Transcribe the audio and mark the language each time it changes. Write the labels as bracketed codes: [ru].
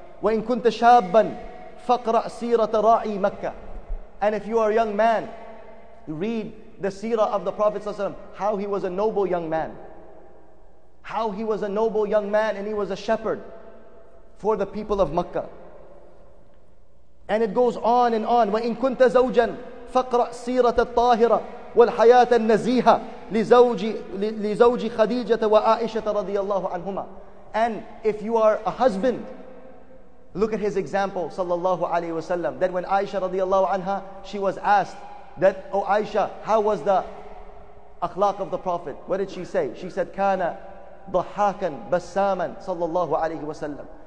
[ar] وَإِن كُنْتَ شَابًا فَقْرَأْ سِيرَةَ رَاعِي مَكَّةِ. [en] And if you are a young man, read the seerah of the Prophet ﷺ, how he was a noble young man. How he was a noble young man and he was a shepherd for the people of Makkah. And it goes on and on. [ar] وَإِن كُنْتَ زَوْجًا فَقْرَأْ سِيرَةَ الطَّاهِرَةِ والحياة النزيهة لزوج خديجة وعائشة رضي الله عنهما. [en] And if you are a husband, look at his example, sallallahu alayhi wa sallam. Then when Aisha radiallahu anha, she was asked that, oh Aisha, how was the akhlaq of the Prophet? What did she say? She said, [ar] kana dhahakan bassaman, [en] sallallahu alayhi wa sallam.